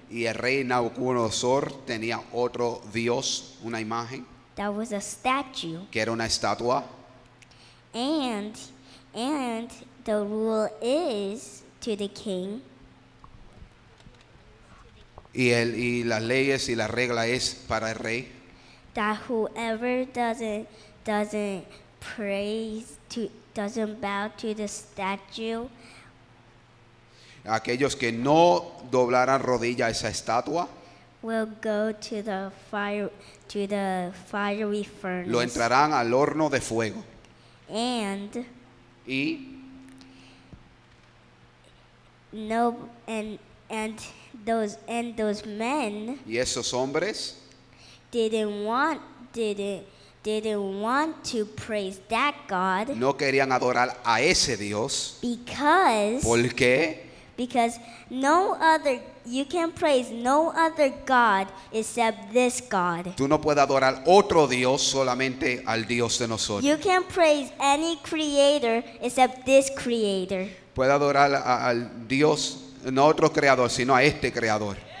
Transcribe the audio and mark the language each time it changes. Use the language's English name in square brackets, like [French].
[Spanish] Y el rey Nabucodonosor tenía otro dios, una imagen. [English] That was a statue. [Spanish] Que era una estatua. [English] And the rule is to the king. [Spanish] Y las leyes y la regla es para el rey. [English] That whoever doesn't praise to, doesn't bow to the statue. [Spanish] Aquellos que no doblaran rodilla a esa estatua. [English] Will go to the fire, to the fiery furnace. [Spanish] Lo entrarán al horno de fuego. [English] And. [Spanish] Y. [English] No, and those men. [Spanish] Y esos hombres. [English] Didn't want to praise that God. [Spanish] No querían adorar a ese Dios. [English] Because. [Spanish] ¿Por qué? [English] Because no other, you can praise no other God except this God. [Spanish] Tú no puedes adorar otro Dios, solamente al Dios de nosotros. [English] You can praise any creator except this creator. [Spanish] pueda adorar al Dios, no otro creador, sino a este creador.